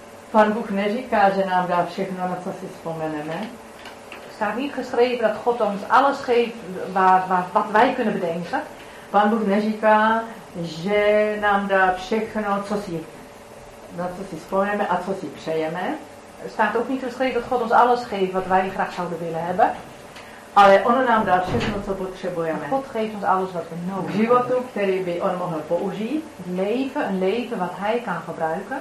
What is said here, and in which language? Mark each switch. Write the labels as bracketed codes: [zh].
[cs] Pán Bůh neříká, že nám dá všechno, na co si vzpomeneme. [nl] Staat niet geschreven dat God ons alles geeft wat wij kunnen bedenken. [cs] Pán Bůh neříká, že nám dá všechno, na co si vzpomeneme a co si přejeme. [nl] Staat ook niet geschreven dat God ons alles geeft wat wij graag zouden willen hebben. [cs] Ale on nám dá všechno, co potřebujeme. [nl] God geeft ons alles wat we nodig hebben. [cs] Životu, který by on mohl použít. [nl] Leven, een leven wat hij kan gebruiken.